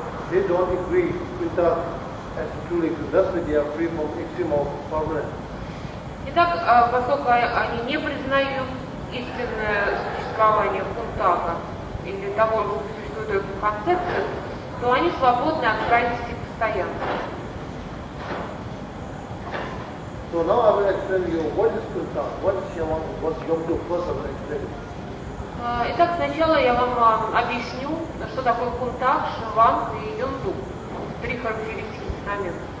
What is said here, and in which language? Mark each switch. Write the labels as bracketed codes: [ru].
[en] They don't agree with that as truly existent. That's why they are free from extreme of permanence. [ru] Итак, поскольку они не признают истинное существование кунтака или того, что существует только в концепции, то они свободны от крайности постоянства. [en] So now I will explain you what is kuntak, what is shaman, what is yomdo. First I will explain. [ru] Итак, сначала я вам объясню, что такое кунтак, шаван и юнду. Три характеристики феномена.